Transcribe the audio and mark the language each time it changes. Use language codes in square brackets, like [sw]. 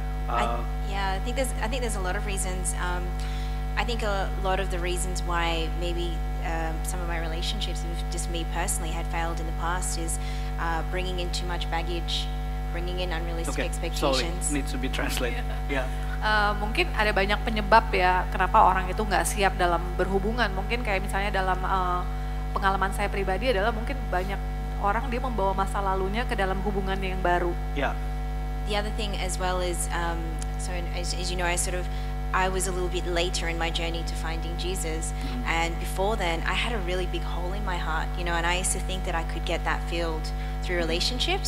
[en] I think there's a lot of reasons. I think a lot of the reasons why maybe some of my relationships, just me personally, had failed in the past is bringing in too much baggage, bringing in unrealistic expectations. Okay, sorry, needs to be translated. [id] Mungkin ada banyak penyebab ya kenapa orang itu nggak siap dalam berhubungan. Mungkin kayak misalnya dalam pengalaman saya pribadi adalah mungkin banyak orang dia membawa masa lalunya ke dalam hubungan yang baru. [en] The other thing as well is as you know, I was a little bit later in my journey to finding Jesus, and before then I had a really big hole in my heart, you know, and I used to think that I could get that filled through relationships.